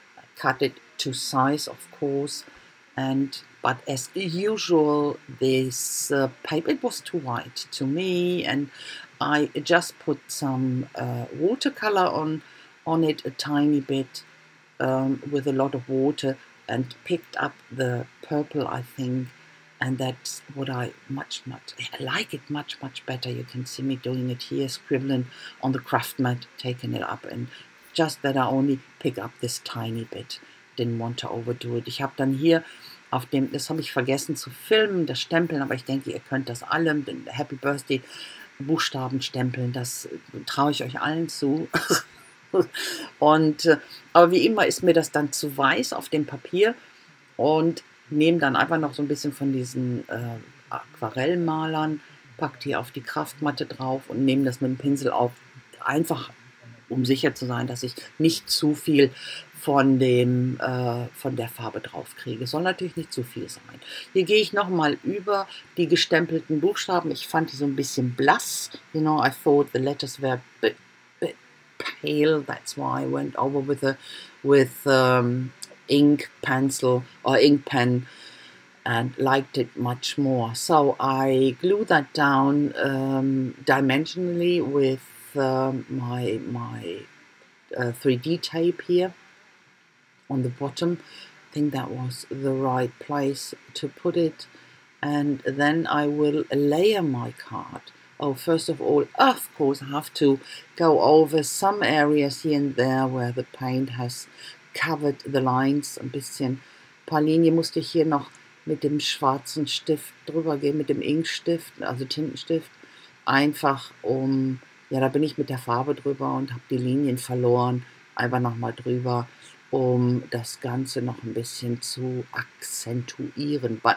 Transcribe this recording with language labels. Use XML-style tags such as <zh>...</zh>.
<en>I cut it to size, of course, and but as usual, this paper, it was too white to me, and I just put some watercolor on it a tiny bit with a lot of water and picked up the purple, I think, and that's what I I like it much, much better. You can see me doing it here, scribbling on the craft mat, taking it up, and just that I only pick up this tiny bit, didn't want to overdo it.</en> <de>Ich habe dann hier auf dem, das habe ich vergessen zu filmen, das Stempeln, aber ich denke, ihr könnt das allem, den Happy Birthday Buchstaben stempeln, das traue ich euch allen zu. Und aber wie immer ist mir das dann zu weiß auf dem Papier und nehme dann einfach noch so ein bisschen von diesen Aquarellmalern, packe die auf die Kraftmatte drauf und nehme das mit dem Pinsel auf, einfach um sicher zu sein, dass ich nicht zu viel von dem von der Farbe drauf kriege. Soll natürlich nicht zu viel sein. Hier gehe ich nochmal über die gestempelten Buchstaben. Ich fand die so ein bisschen blass.</de> <en>You know, I thought the letters were pale, that's why I went over with ink pencil or ink pen and liked it much more. So I glue that down dimensionally with my 3D tape here on the bottom. I think that was the right place to put it. And then I will layer my card. Oh, first of all, of course, I have to go over some areas here and there where the paint has covered the lines.</en> <de>Ein bisschen, ein paar Linien musste ich hier noch mit dem schwarzen Stift drüber gehen, mit dem Inkstift, also Tintenstift. Einfach um, ja, da bin ich mit der Farbe drüber und habe die Linien verloren. Einfach nochmal drüber, um das Ganze noch ein bisschen zu akzentuieren.</de>